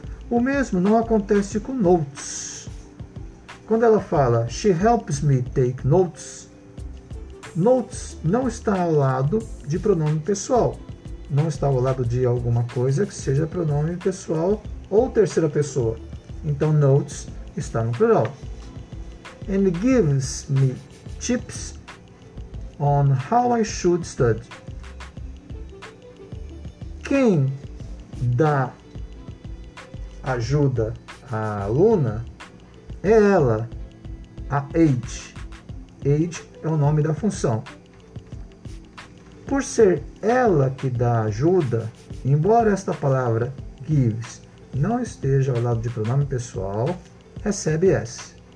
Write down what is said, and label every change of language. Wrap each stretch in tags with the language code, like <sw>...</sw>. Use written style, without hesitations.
<pt>O mesmo não acontece com notes. Quando ela fala,</pt> <en>she helps me take notes,</en> <pt>notes não está ao lado de pronome pessoal. Não está ao lado de alguma coisa que seja pronome pessoal ou terceira pessoa. Então, notes está no plural.</pt> <en>And gives me tips on how I should study.</en> <pt>Quem dá ajuda à aluna é ela, a age. Age é o nome da função. Por ser ela que dá ajuda, embora esta palavra gives não esteja ao lado de pronome pessoal, recebe S.</pt>